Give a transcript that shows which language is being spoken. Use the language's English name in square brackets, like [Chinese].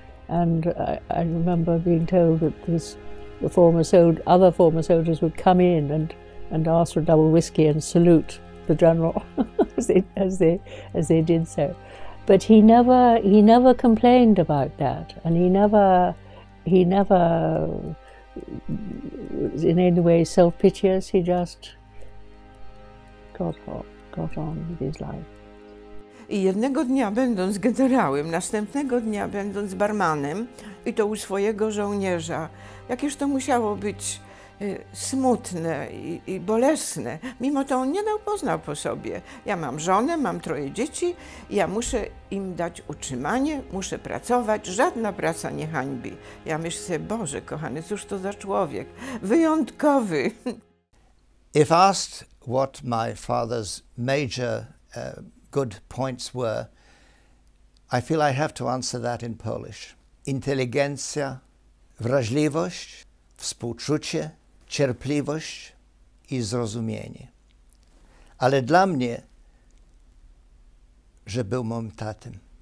[English] And I remember being told that other former soldiers would come in and ask for a double whiskey and salute the general as they did so. But he never complained about that, and he never was in any way self-piteous. He just got on with his life. [Polish] I jednego dnia, będąc generałem, następnego dnia, będąc barmanem, i to u swojego żołnierza, jakież to musiało być smutne i bolesne. Mimo to on nie dał, poznał po sobie. Ja mam żonę, mam troje dzieci, ja muszę im dać utrzymanie, muszę pracować, żadna praca nie hańbi. Ja myślę, Boże, kochany, cóż to za człowiek, wyjątkowy. [English] If asked what my father's major good points were, I feel I have to answer that in Polish. [Polish] Inteligencja, wrażliwość, współczucie, cierpliwość i zrozumienie. Ale dla mnie, że był moim tatem.